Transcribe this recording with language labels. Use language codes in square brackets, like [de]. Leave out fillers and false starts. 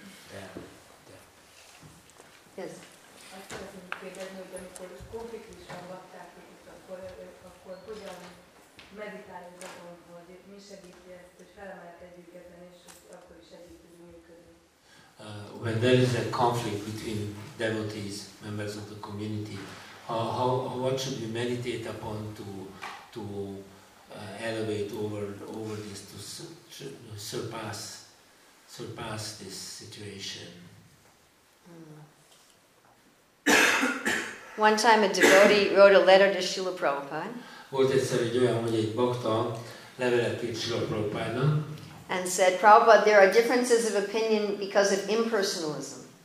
[hu] De. [en] Yes. [hu] Azt szeretném kérdezni, hogy amikor konfliktus van baktáknak, akkor hogyan meditálni az akkor, hogy mi segíti ezt, hogy felemelkedjük ezen, és akkor is együtt tudunk működni. [en] When there is a conflict between devotees, members of the community, what should we meditate upon to elevate over this, to surpass this situation. One time a devotee wrote a letter to Srila Prabhupada. [hu] Volt egyszer egy olyan, hogy egy bakta levelet írt Srila Prabhupádnak. [en] And said, Prabhupada, there are differences of opinion because of impersonalism.